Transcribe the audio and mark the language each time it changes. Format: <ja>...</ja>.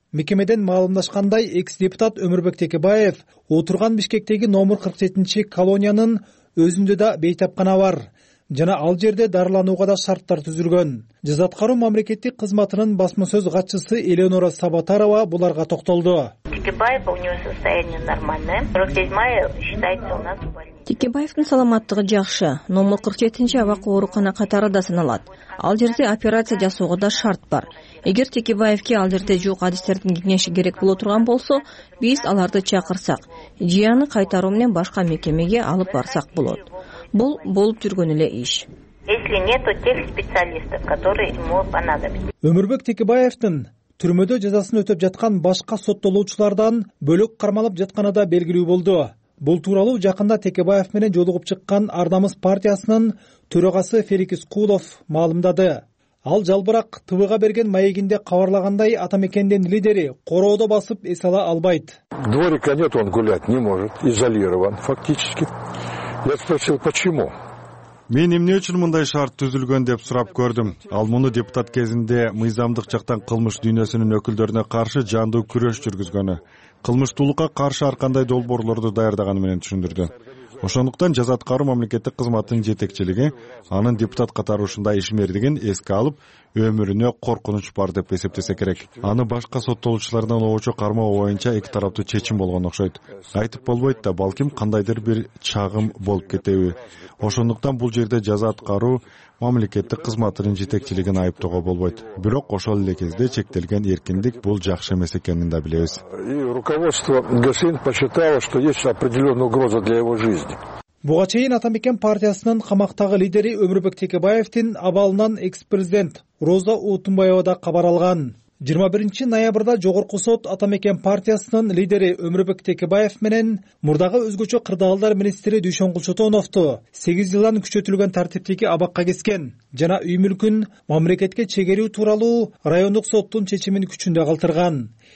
<ky>Мекемеден маалымдашкандай, экс депутат Өмүрбек Текебаев отурган Бишкектеги номер 47 колониянын өзүндө да бейтапкана бар жана ал жерде дарыланууга да шарттар түзүлгөн. Жаз аткаруу мамлекеттик кызматынын басма сөз катчысы Эленора Сабатарова буларга токтолду.</ky> <ru>Текебаев, у него состояние нормальное. 47-я считается у нас в больнице.</ru> <ky>Текебаевдин саламаттыгы жакшы, но 47-нче абак оорукана катары да саналат. Ал жерде операция жасоого да шарт бар. Эгер Текебаевке ал жерде жок адистердин кеңеши керек боло турган болсо, биз аларды чакырсак, жыяны кайтаруу менен башка мекемеге алып барсак болот. Бул болуп жүргөн эле иш.</ky> <ru>Если нету тех специалистов, которые ему понадобятся.</ru> <ky>Өмүрбек Текебаевдин түрмөдө жазасын өтөп жаткан башка соттолуучулардан бөлөк кармалып жатканы да белгилүү болду. Бул тууралуу жакында Текебаев менен жолугуп чыккан Ардамыз партиясынын төрагасы Феликс Кулов маалымдады. Ал жалбырак ТВ-га берген маегинде кабарлагандай атамекендин лидери короодо басып эс ала албайт. Дворика нет, он гулять не может, изолирован фактически. Я спросил, почему? Мен эмне үчүн мындай шарт түзүлгөн деп сурап көрдүм. Ал муну депутат кезинде мыйзамдык жактан кылмыш дүйнөсүнүн өкүлдөрүнө каршы жандуу күрөш жүргүзгөнү, кылмыштуулукка каршы ар кандай долбоорлорду даярдаганы менен түшүндүрдү. Ошондуктан жаза аткаруу мамлекеттик кызматынын жетекчилиги анын депутат катары ушундай ишмердигин эске алып, өмүрүнө коркунуч бар деп эсептесе керек. Аны башка соттолуучулардан оочо кармоо боюнча эки тараптуу чечим болгон окшойт. Айтып болбойт да, балким кандайдыр бир чагым болуп кетеби. Ошондуктан бул жерде жаза аткаруу мамлекеттик кызматынын жетекчилигин айыптоого болбойт. Бирок ошол эле кезде чектелген эркиндик бул жакшы эмес экенин да билебиз.</ky> <ru>И руководство ГСН посчитало, что есть определенная угроза для его жизни.</ru> <ky>Буга чейин Атамекен партиясынын камактагы лидери Өмүрбек Текебаевдин абалынан экс-президент Роза Утунбаева да кабар алган. 21 ноябрда Жогорку сот Атамекен партиясынын лидери Өмүрбек Текебаев менен мурдагы өзгөчө кырдаалдар министри Дүйшөнкул Чотоновду 8 жылдан күчөтүлгөн тартиптеги абакка кескен жана үй мүлкүн мамлекетке чегерүү тууралуу райондук соттун чечимин күчүндө калтырган.</ky>